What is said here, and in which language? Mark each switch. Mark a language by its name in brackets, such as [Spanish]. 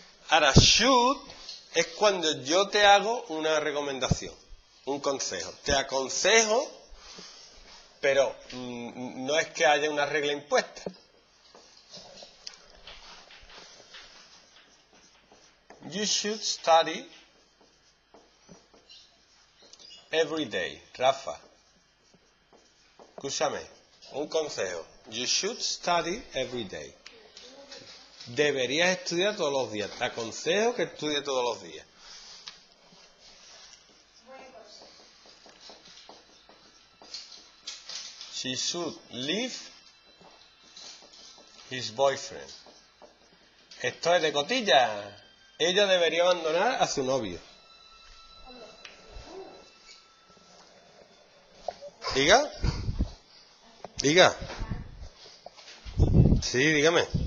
[Spanish] Ahora, should es cuando yo te hago una recomendación. Un consejo. Te aconsejo, pero no es que haya una regla impuesta. [English] You should study every day, Rafa. [Spanish] Escúchame, un consejo. [English] You should study every day. [Spanish] Deberías estudiar todos los días. Te aconsejo que estudies todos los días. [English] She should leave his boyfriend. [Spanish] Esto es de cotilla. Ella debería abandonar a su novio. ¿Diga? ¿Diga? Sí, dígame.